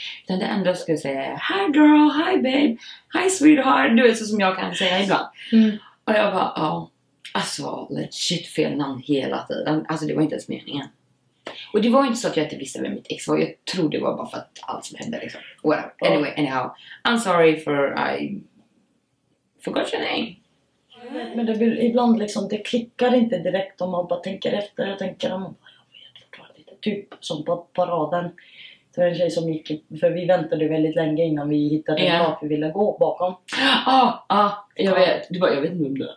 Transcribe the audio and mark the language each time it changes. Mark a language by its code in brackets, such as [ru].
[sv] Utan det enda ska jag säga, [en] hi girl, hi babe, hi sweetheart. [sv] Du är så som jag kan säga ibland. Mm. Och jag bara, ja, alltså legit fel namn hela tiden. Alltså det var inte ens meningen. Och det var inte så att jag inte visste vem mitt ex var. Jag tror det var bara för att allt som hände liksom. [en] Well, anyway, anyhow. I'm sorry for I forgot your name. [sv] Men det blir ibland liksom, det klickar inte direkt om man bara tänker efter. Jag tänker om, jag vet inte, typ som på paraden. Det var en tjej som gick, för vi väntade väldigt länge innan vi hittade en plats vi ville gå bakom. Ja, ah, ah, jag vet. Du bara, jag vet inte om det.